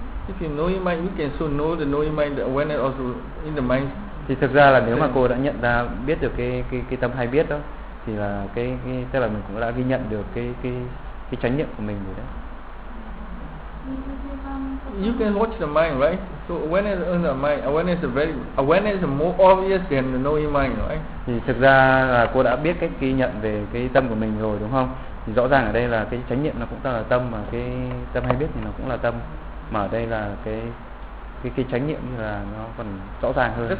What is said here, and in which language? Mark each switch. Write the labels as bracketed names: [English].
[English] If you know your mind, you can so know the knowing mind, the awareness also in the mind. [Vietnamese] Thì thực ra là nếu mà cô đã nhận ra biết được cái tâm hay biết đó, thì là cái tức là mình cũng đã ghi nhận được cái chánh niệm của mình rồi đấy. [English] You can watch the mind, right? So awareness in the mind, awareness is more obvious than the knowing mind, right? [Vietnamese] Thì thực ra là cô đã biết cách ghi nhận về cái tâm của mình rồi, đúng không? Thì rõ ràng ở đây là cái chánh niệm nó cũng là tâm, mà cái tâm hay biết thì nó cũng là tâm. Mà ở đây là cái chánh niệm là nó còn rõ ràng hơn.